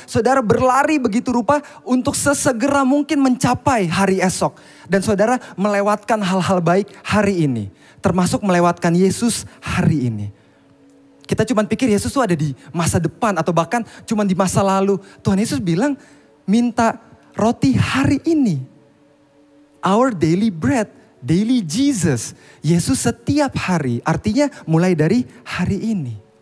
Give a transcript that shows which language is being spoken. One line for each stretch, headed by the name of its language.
Indonesian: Saudara berlari begitu rupa untuk sesegera mungkin mencapai hari esok. Dan saudara melewatkan hal-hal baik hari ini. Termasuk melewatkan Yesus hari ini. Kita cuma pikir Yesus tuh ada di masa depan atau bahkan cuma di masa lalu. Tuhan Yesus bilang minta roti hari ini.
English: Our daily bread, daily Jesus.
Indonesian: Yesus setiap hari, artinya mulai dari hari ini.